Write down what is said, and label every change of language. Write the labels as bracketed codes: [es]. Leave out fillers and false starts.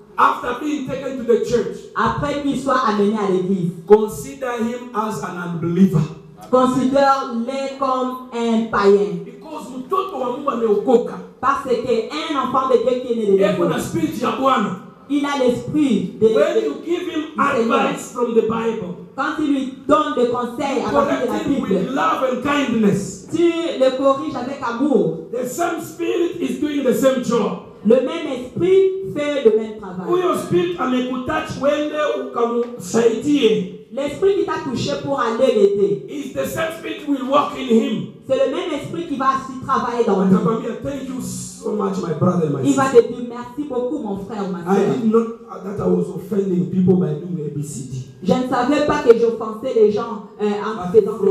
[en] after being taken to the church, [fr] après qu'il soit amené à l'église, [en] consider him as an unbeliever. [fr] Considère-le comme un païen. [sw] Because mtoto wa Mungu ameokoka. [fr] Parce que un enfant de Dieu qui est né de Dieu, il a l'esprit de Dieu. [en] When you give him advice from the Bible, [fr] quand il lui donne des conseils à partir de la Bible, [en] with love and kindness, [fr] tu le corriges avec amour. [en] The same spirit is doing the same job. [fr] Le même esprit fait le même travail. [en] Your spirit and the touch when they come say dear. [fr] L'esprit qui t'a touché pour aller l'aider. [en] Is the same spirit will work in him. [fr] C'est le même esprit qui va aussi travailler dans [en] lui. Papa, thank you so much, my brother, my [fr] il va te dire merci beaucoup, mon frère ou ma sœur. [en] I did not that I was offending people by doing ABCD. [fr] Je ne savais pas que j'offensais les gens en faisant